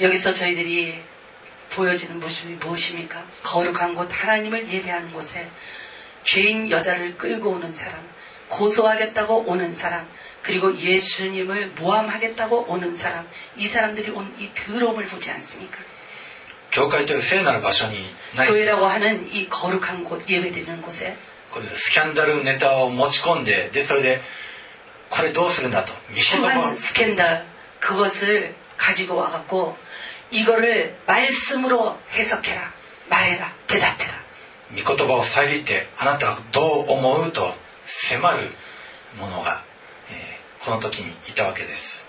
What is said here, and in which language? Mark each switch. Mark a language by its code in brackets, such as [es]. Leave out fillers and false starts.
[ko] 여기서저희들이보여지는모습이무엇입니까？ 거룩한곳하나님을예배하는곳에죄인여자를끌고오는사람，고소하겠다고오는사람，그리고예수님을모함하겠다고오는사람，이사람들이온이더러움을보지않습니까？ [ja] 教会という聖なる場所に、 [ko] 교회라고하는이거룩한곳예배드리는곳에 [ja] スキャンダルネタを持ち込んで、でそれでこれどうするんだと、 [ko] スキャンダル그것을가지고와갖고 이거를말씀으로해석해라말해라대답해라 [ja] 御言葉を遮ってあなたはどう思うと迫るものが、この時にいたわけです